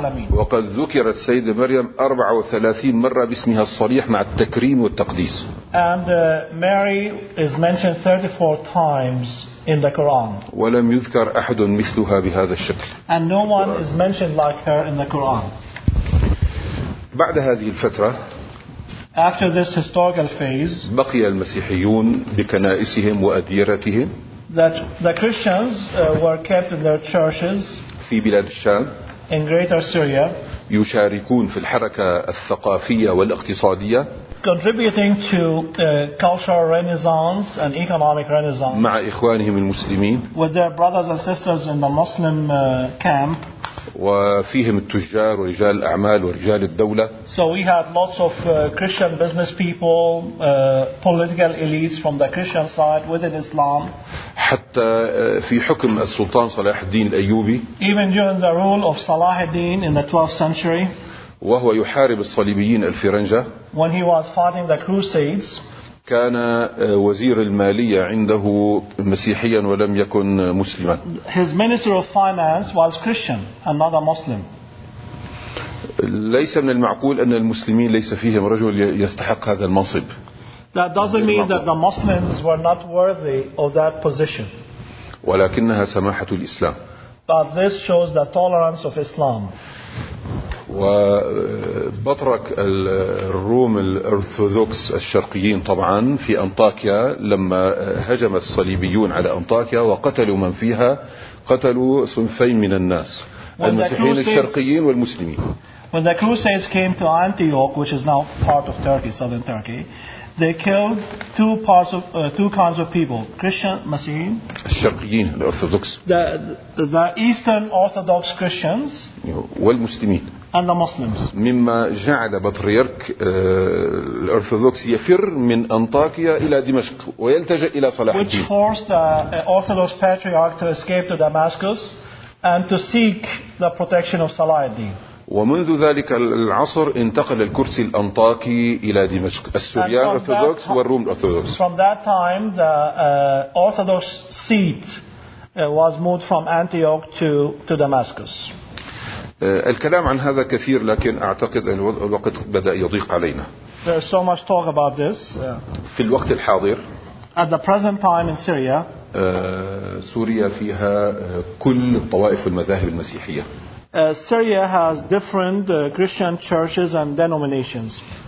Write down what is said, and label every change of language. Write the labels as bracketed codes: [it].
[ar] وقد ذكرت سيدة مريم 34 مرة باسمها الصريح مع التكريم والتقديس. [en] And Mary is mentioned 34 times in the Quran. [ar] ولم يذكر أحد مثلها بهذا الشكل. [en] And no one is mentioned like her in the Quran. [ar] بعد هذه الفترة. [en] After this historical phase, [ar] بقي المسيحيون بكنائسهم وأديرتهم. [en] That the Christians were kept in their churches. [ar] في بلاد الشام. [en] In Greater Syria. [ar] يشاركون في الحركة الثقافية والاقتصادية. [en] Contributing to cultural renaissance and economic renaissance. [ar] مع إخوانهم المسلمين. [en] With their brothers and sisters in the Muslim camp. [ar] وفيهم التجار ورجال الأعمال ورجال الدولة. [en] So we had lots of Christian business people, political elites from the Christian side within Islam. [ar] حتى في حكم السلطان صلاح الدين الأيوبي. [en] Even during the rule of Salah al-Din in the 12th century. [ar] وهو يحارب الصليبيين الفرنجة. [en] When he was fighting the Crusades. [ar] كان وزير المالية عنده مسيحيا ولم يكن مسلما. [en] His minister of finance was Christian and not a Muslim. [ar] ليس من المعقول أن المسلمين ليس فيهم رجل يستحق هذا المنصب. [en] That doesn't mean that the Muslims were not worthy of that position. [ar] ولكنها سماحة الإسلام. [en] But this shows the tolerance of Islam. [ar] وبطرك الروم الأرثوذكس الشرقيين طبعا في أنطاكيا لما هجم الصليبيون على أنطاكيا وقتلوا من فيها قتلوا صنفين من الناس المسيحيين الشرقيين والمسلمين. [en] When the Crusades came to Antioch, which is now part of Turkey, southern Turkey, they killed two kinds of people: Christian Muslim. [ar] الشرقيين الأرثوذكس. [en] The Eastern Orthodox Christians. [ar] والمسلمين. [en] and the Muslims. [ar] مما جعل بطريرك الأرثوذكس يفر من أنطاكيا إلى دمشق ويلتجئ إلى صلاح الدين. [en] Which forced the Orthodox Patriarch to escape to Damascus and to seek the protection of Salah al-Din. [ar] ومنذ ذلك العصر انتقل الكرسي الأنطاكي إلى دمشق. السوريان الأرثوذكس والروم الأرثوذكس. [en] From that time, the Orthodox seat was moved from Antioch to Damascus. [ar] الكلام عن هذا كثير، لكن أعتقد أن الوقت بدأ يضيق علينا. [en] There's so much talk about this. [ar] في الوقت الحاضر. [en] At the present time in Syria. [ar] سوريا فيها كل الطوائف والمذاهب المسيحية. [en] Syria has different Christian churches and denominations.